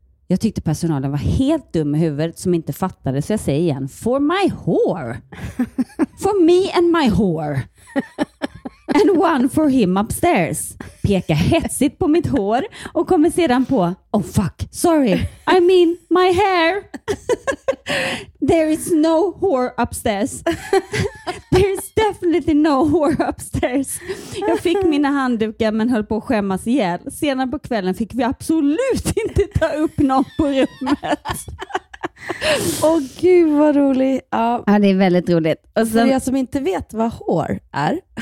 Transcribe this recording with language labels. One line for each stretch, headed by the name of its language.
Swedish: Jag tyckte personalen var helt dum i huvudet som inte fattade. Så jag säger igen,
English: for my hair. For me and my hair. And one for him upstairs. Pekar hetsigt på mitt hår och kommer sedan på, oh fuck, sorry. I mean my hair. There is no hair upstairs. There is definitely no hair upstairs.
Swedish: Jag fick mina handdukar men höll på att skämmas ihjäl. Senare på kvällen fick vi absolut inte ta upp något på rummet. Åh gud vad roligt. Ja. Ja, det är väldigt roligt. Och sen, för jag som inte vet vad hår är.